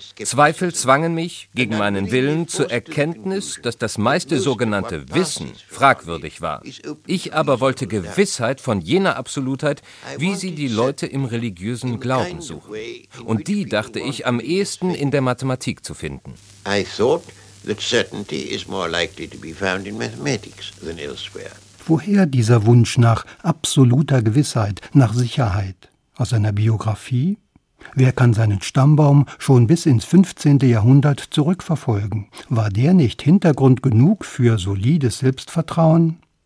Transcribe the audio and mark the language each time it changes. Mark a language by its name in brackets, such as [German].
[German] Zweifel zwangen mich, gegen meinen Willen, zur Erkenntnis, dass das meiste sogenannte Wissen fragwürdig war. Ich aber wollte Gewissheit von jener Absolutheit, wie sie die Leute im religiösen Glauben suchen. Und die dachte ich am ehesten in der Mathematik zu finden. [English] That certainty is more likely to be found in mathematics than elsewhere. [German] Woher dieser Wunsch nach absoluter Gewissheit, nach Sicherheit? Aus seiner Biografie? Wer kann seinen Stammbaum schon bis ins 15. Jahrhundert zurückverfolgen? War der nicht Hintergrund genug für solides Selbstvertrauen?